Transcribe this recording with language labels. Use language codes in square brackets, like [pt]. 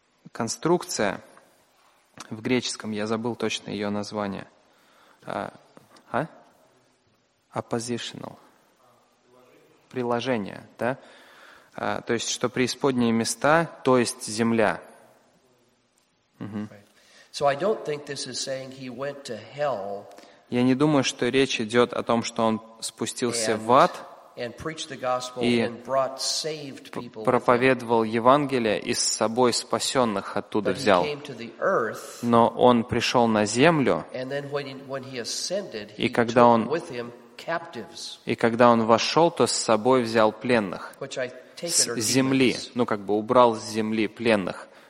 [ru] Конструкция в греческом, я забыл точно ее название. Appositional. Приложение, да? То есть, что преисподние места, то есть земля. [en] So I don't think this is saying he went to hell. [ru] Я не думаю, что речь идет о том, что он спустился в ад. [en] And preached the gospel and brought saved people. [ru] Проповедовал Евангелие и с собой спасенных оттуда взял. Но он пришел на землю. [en] And then when he ascended, [ru] и когда он вошел, то с собой взял пленных с земли, ну как бы убрал с земли пленных.